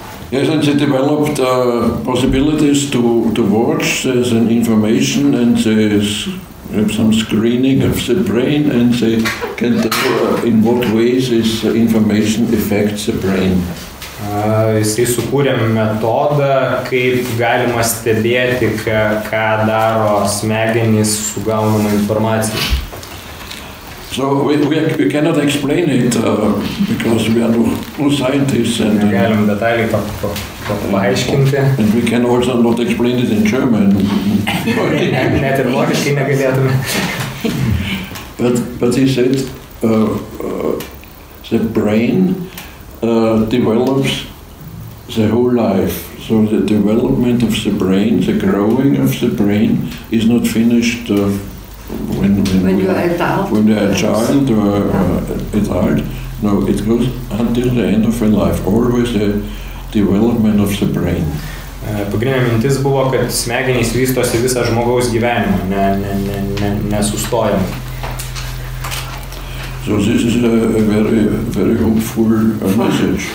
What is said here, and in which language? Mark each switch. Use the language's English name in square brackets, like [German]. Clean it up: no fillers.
[English] Yes, and they developed possibilities to watch as an information and have some screening of the brain and they can tell in what ways this information affects the brain. [Lithuanian] Jisai sukūrė metodą, kaip galima stebėti, ką daro smegenys su gaunama informacija. [English] So we cannot explain it because we are no scientists and [Lithuanian] galim detaliai paaiškinti. [English] And we can also not explain it in German. [Lithuanian] Net ir vokiškai negalėtume. [English] But he said the brain develops the whole life. So the development of the brain, the growing of the brain is not finished when you are a child or adult, no, it goes until the end of your life, always a development of the brain. [Lithuanian] Pagrindinė mintis buvo, kad smegenys vystosi visą žmogaus gyvenimą, nesustojant. [English] So this is a very, very hopeful message.